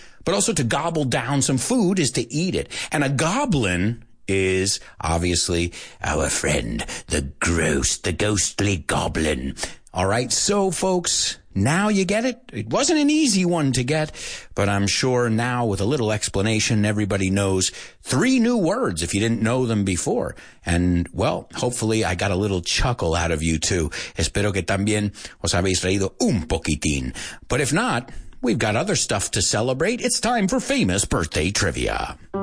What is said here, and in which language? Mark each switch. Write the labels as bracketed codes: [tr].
[en] But also to gobble down some food is to eat it. And a goblin is obviously our friend, the gross, the ghostly goblin. All right, so folks, now you get it. It wasn't an easy one to get, but I'm sure now with a little explanation, everybody knows three new words if you didn't know them before. And, well, hopefully I got a little chuckle out of you, too. [es] Espero que también os habéis reído un poquitín. [en] But if not, we've got other stuff to celebrate. It's time for famous birthday trivia.